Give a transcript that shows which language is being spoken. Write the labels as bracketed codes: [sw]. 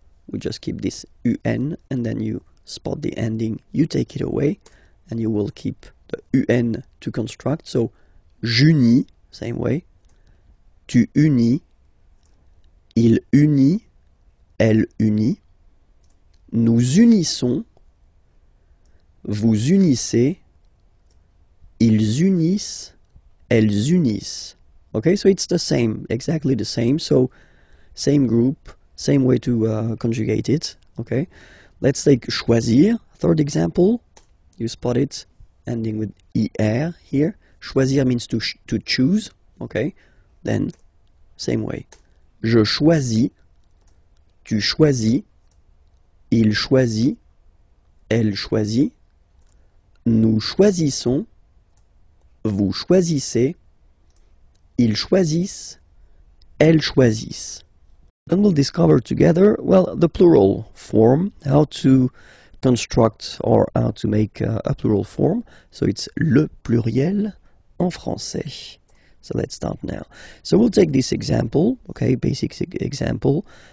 [en] We just keep this UN and then you spot the ending, you take it away and you will keep the UN to construct. So, j'unis, same way. [fr] Tu unis, il unit, elle unit, nous unissons, vous unissez, ils unissent, elles unissent. [en] Okay, so it's the same, exactly the same. So, same group, same way to conjugate it. Okay, let's take choisir, third example. You spot it ending with IR here. Choisir means to choose. Okay, then. Same way. [fr] Je choisis, tu choisis, il choisit, elle choisit, nous choisissons, vous choisissez, ils choisissent, elles choisissent. [en] Then we'll discover together, well, the plural form, how to construct or how to make a plural form. So it's [fr] le pluriel en français. [en] So let's start now. So we'll take this example, okay, basic example.